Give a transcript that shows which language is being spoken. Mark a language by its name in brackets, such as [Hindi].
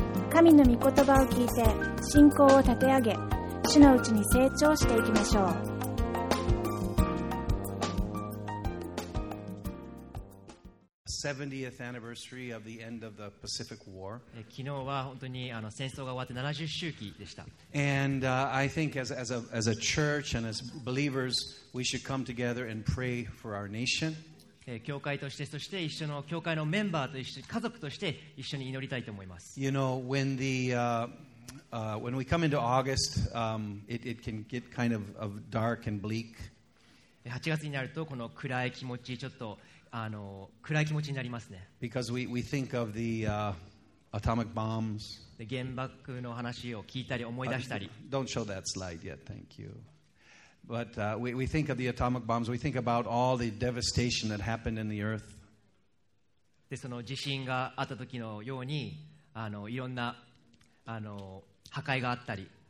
[Japanese] 神の御言葉を聞いて信仰を立て上げ、主のうちに成長していきましょう。 [English] 70th anniversary of the end of the Pacific War. [Japanese] 昨日は本当に戦争が終わって70周期でした。 [English] And I think as a church and as believers, we should come together and pray for our nation. [Japanese] 教会として、そして一緒の教会のメンバーと一緒、家族として一緒に祈りたいと思います。 [English] You know, when the when we come into August, it can get kind of dark and bleak. [Japanese] 8月になるとこの暗い気持ち、ちょっと暗い気持ちになりますね。 [English] Because we think of the atomic bombs. [Japanese] 原爆の話を聞いたり思い出したり。 [English] Don't show that slide yet, thank you. But we think of the atomic bombs. We think about all the devastation that happened in the earth. [Japanese] で、その地震があった時のようにいろんな破壊があったり。